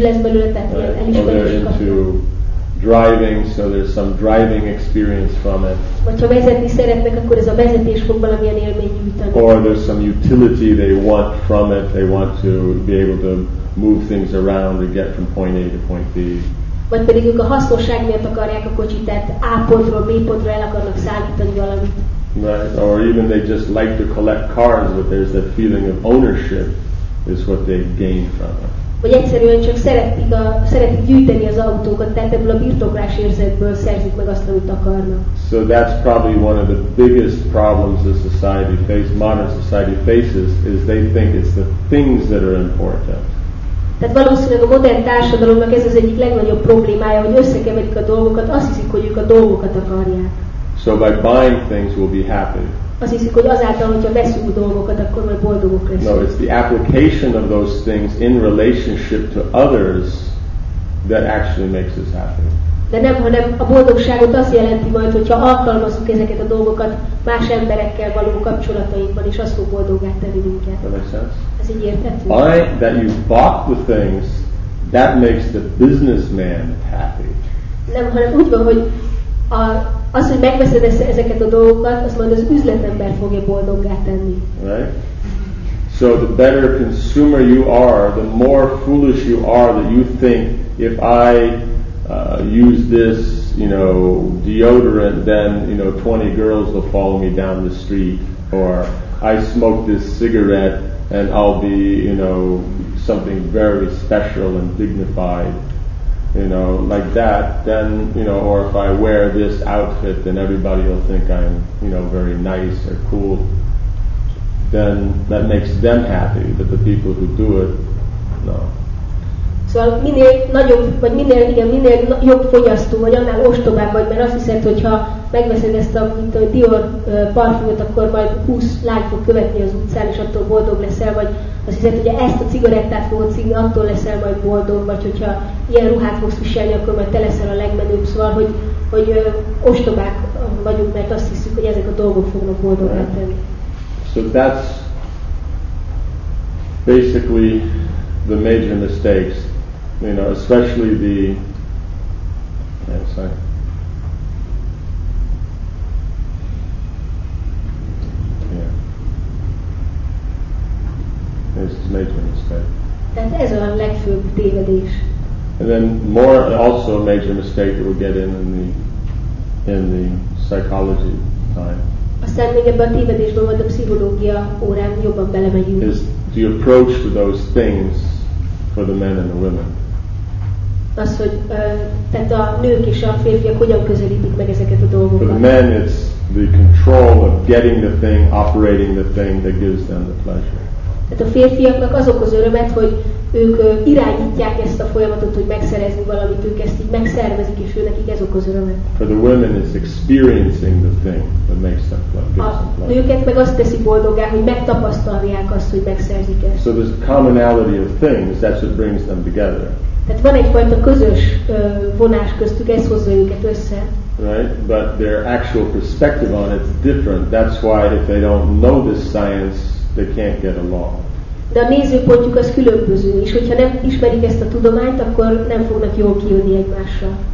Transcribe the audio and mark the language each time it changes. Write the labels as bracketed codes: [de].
[hu] lesz belőle, tehát elismerés [en] driving, so there's some driving experience from it. [hu] Vagy ha vezetni szeretnek, akkor ez a vezetés fog valamilyen élmény nyújtani. [en] Or there's some utility they want from it. They want to be able to move things around and get from point A to point B. [hu] Vagy pedig ők a hasznosság miatt akarják a kocsit, tehát A pontról B pontra el akarnak szállítani valamit. [en] Right, or even they just like to collect cars, but there's that feeling of ownership is what they gain from it. [hu] Vagy egyszerűen csak szeretik gyűjteni az autókat, tehát ebből a birtoklás érzetből szerzik meg azt, amit akarnak. [en] So that's probably one of the biggest problems the society faces, modern society faces, is they think it's the things that are important. [hu] Tehát valószínűleg a modern társadalomnak ez az egyik legnagyobb problémája, hogy összekeverik a dolgokat, azt hiszik, hogy ők a dolgokat akarják. [en] So by buying things we'll be happy. [hu] Azt hiszik, hogy azáltal, hogyha veszünk dolgokat, akkor majd boldogok leszünk. [en] No, it's the application of those things in relationship to others that actually makes us happy. [hu] De nem, hanem a boldogságot azt jelenti majd, hogyha alkalmazunk ezeket a dolgokat más emberekkel való kapcsolatainkban, és azt fog boldoggá tenni minket. [en] That makes sense? [hu] Ez így érthető? [en] Buy that you bought the things, that makes the businessman happy. [hu] Nem, hanem úgy van, hogy az, hogy megveszed ezeket a dolgokat, azt majd az üzletember fogja boldoggá tenni. [en] Right? So the better consumer you are, the more foolish you are that you think if I use this, you know, deodorant, then, you know, 20 girls will follow me down the street, or I smoke this cigarette and I'll be, you know, something very special and dignified. You know, like that, then, you know, or if I wear this outfit, then everybody will think I'm, you know, very nice or cool. Then that makes them happy, but the people who do it, no. [hu] Szóval minél nagyobb, vagy minél, igen, minél jobb fogyasztó vagy, annál ostobább vagy, mert azt hiszed, hogyha megveszed ezt a Dior parfümöt, akkor majd 20 lány fog követni az utcán, és attól boldog leszel, vagy azt hiszed, hogyha ezt a cigarettát fogod szívni, attól leszel majd boldog, vagy hogyha ilyen ruhát fogsz viselni, akkor majd te leszel a legmenőbb. Szóval, hogy ostobák vagyunk, mert azt hiszük, hogy ezek a dolgok fognak boldoggá tenni. [en] So that's basically the major mistakes, you know, especially the this is major mistake. [hu] Tehát ez a legfőbb tévedés. [en] And then more also a major mistake that we'll get in the psychology time. [hu] Aztán még ebben a tévedésben majd a pszichológia órán jobban belemegyünk. [en] Is the approach to those things for the men and the women. [hu] Az, hogy tehát a nők és a férfiak hogyan közelítik meg ezeket a dolgokat. [en] For the men it's the control of getting the thing, operating the thing that gives them the pleasure. [hu] Tehát a férfiaknak az okoz örömet, hogy ők irányítják ezt a folyamatot, hogy megszerezni valamit, ők ezt így megszervezik, és ő nekik ez okoz örömet. [en] For the women is experiencing the thing that makes them pleasure. [hu] A nőket meg azt teszi boldoggá, hogy megtapasztalják azt, hogy megszerzik ezt. [en] So there's a commonality of things, that's what brings them together. [hu] Tehát van egyfajta közös vonás köztük, ez hozza őket össze. [en] Right, but their actual perspective on it's different. That's why if they don't know this science, they can't get along. [hu] De a nézőpontjuk az különböző, és hogyha nem ismerik ezt a tudományt, akkor nem fognak jól kijönni egymással.